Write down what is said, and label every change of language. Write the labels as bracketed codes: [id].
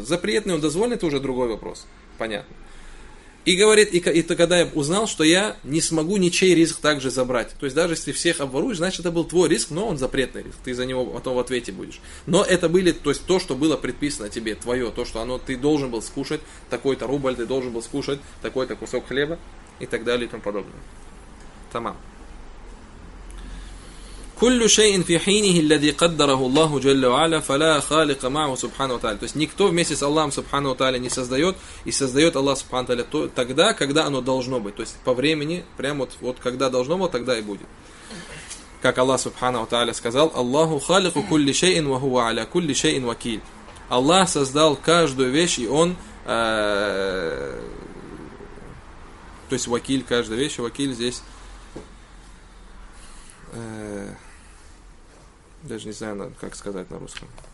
[ru] Запретный он, дозволенный, это уже другой вопрос. Понятно. И говорит, и когда я узнал, что я не смогу ничей риск также забрать. То есть, даже если всех обворуешь, значит, это был твой риск, но он запретный риск. Ты за него потом в ответе будешь. Но это были, то есть, то, что было предписано тебе, твое. То, что оно, ты должен был скушать такой-то рубль, ты должен был скушать такой-то кусок хлеба и так далее и тому подобное. Тамам. [ar] كل شيء في حينه الذي قدره الله جل وعلا فلا خالق معه سبحانه وتعالى. [ru] То есть никто вместе с Аллахом Субхану Тааля не создает, и создает Аллах Субхану Тааля тогда, когда оно должно быть. То есть по времени, прямо вот, вот когда должно было, тогда и будет. Как Аллах Субхану Тааля сказал: [ar] Аллаху халику кулли шейин ва хуа аля кулли шейин вакиль. [ru] Аллах создал каждую вещь, и он то есть вакиль каждой вещи, вакиль здесь даже не знаю, как сказать на русском.